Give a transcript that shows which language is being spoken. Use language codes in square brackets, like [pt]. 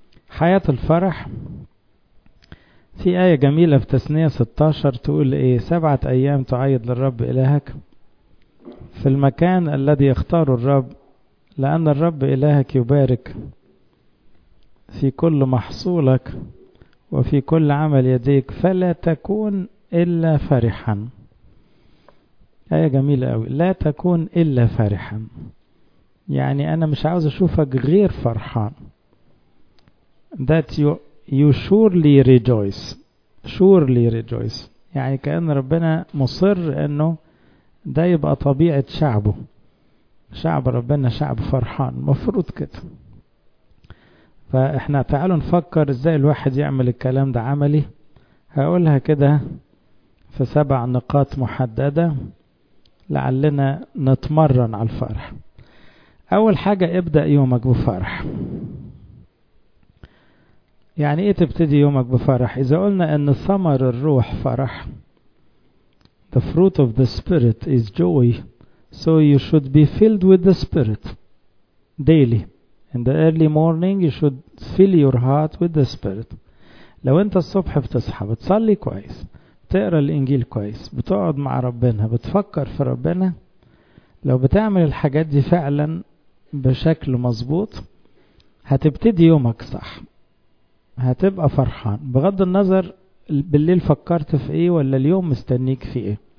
[ar] حياة الفرح في آية جميلة في تثنية 16 تقول إيه؟ 7 أيام تعيد للرب إلهك في المكان الذي يختار الرب، لأن الرب إلهك يبارك في كل محصولك وفي كل عمل يديك، فلا تكون إلا فرحا. آية جميلة قوي، لا تكون إلا فرحا، يعني أنا مش عاوز أشوفك غير فرحان. [en] That you surely rejoice. Surely rejoice [ar] يعني كأن ربنا مصر أنه ده يبقى طبيعة شعبه، شعب ربنا شعب فرحان، مفروض كده. فإحنا تعالوا نفكر إزاي الواحد يعمل الكلام ده عملي. هقولها كده في 7 نقاط محددة لعلنا نتمرن على الفرح. أول حاجة، ابدأ يومك بفرح. يعني إيه تبتدي يومك بفرح؟ إذا قلنا أن ثمر الروح فرح، [en] the fruit of the spirit is joy, so you should be filled with the spirit daily. In the early morning you should fill your heart with the spirit. [ar] لو أنت الصبح بتصحى بتصلي كويس، تقرا الانجيل كويس، بتقعد مع ربنا، بتفكر في ربنا، لو بتعمل الحاجات دي فعلا بشكل مظبوط هتبتدي يومك صح، هتبقى فرحان بغض النظر بالليل فكرت في ايه ولا اليوم مستنيك في ايه.